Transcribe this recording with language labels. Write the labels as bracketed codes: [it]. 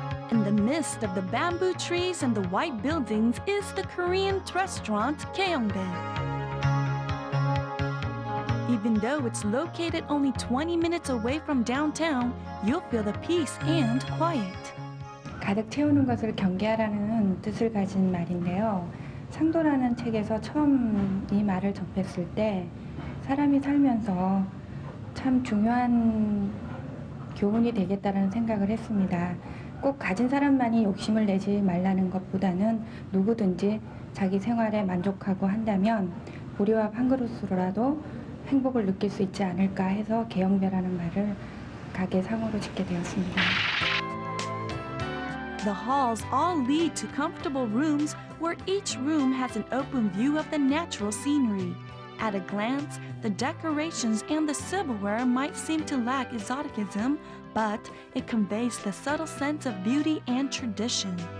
[en] In the midst of the bamboo trees and the white buildings is the Korean restaurant, Geyeongbae. Even though it's located only 20 minutes away from downtown, you'll feel the peace and quiet. [ko] 가득 채우는 것을 경계하라는 뜻을 가진 말인데요. 상도라는 책에서 처음 이 말을 접했을 때 사람이 살면서 참 중요한 교훈이 되겠다라는 생각을 했습니다. 꼭 가진 사람만이 욕심을 내지 말라는 것보다는 누구든지 자기 생활에 만족하고 한다면 보리밥 한 그릇으로라도 행복을 느낄 수 있지 않을까 해서 개영배라는 말을 가게 상호로 짓게 되었습니다. [en] The halls all lead to comfortable rooms where each room has an open view of the natural scenery. At a glance, the decorations and the silverware might seem to lack exoticism, but it conveys the subtle sense of beauty and tradition.